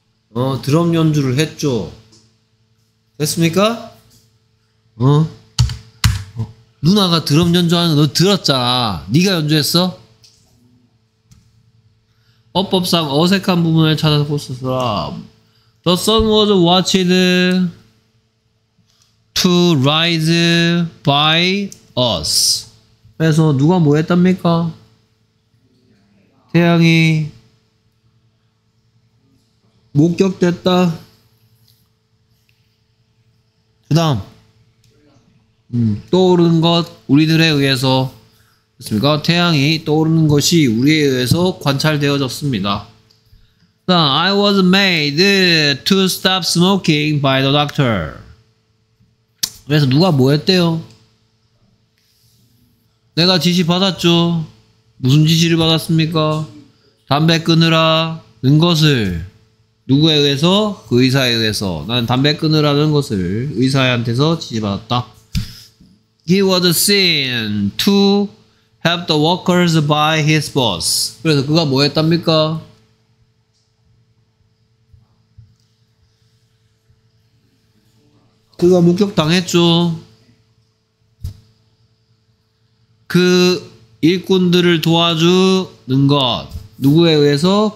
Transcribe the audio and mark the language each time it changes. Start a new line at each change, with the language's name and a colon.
Korean: 어, 드럼 연주를 했죠. 됐습니까? 어? 어? 누나가 드럼 연주하는 거 너 들었잖아. 네가 연주했어? 어법상 어색한 부분을 찾아서 썼어라.
English: The sun was watched to rise by us.
Korean: 그래서 누가 뭐 했답니까? 태양이 목격됐다. 그 다음 떠오르는 것 우리들에 의해서 됐습니까? 태양이 떠오르는 것이 우리에 의해서 관찰되어졌습니다. 그 다음
English: I was made to stop smoking by the doctor.
Korean: 그래서 누가 뭐 했대요? 내가 지시 받았죠. 무슨 지시를 받았습니까? 담배 끊으라 는 것을 누구에 의해서? 그 의사에 의해서. 나는 담배 끊으라는 것을 의사한테서 지시받았다.
English: He was seen to help the workers by his boss.
Korean: 그래서 그가 뭐 했답니까? 그가 목격당했죠. 그 일꾼들을 도와주는 것. 누구에 의해서?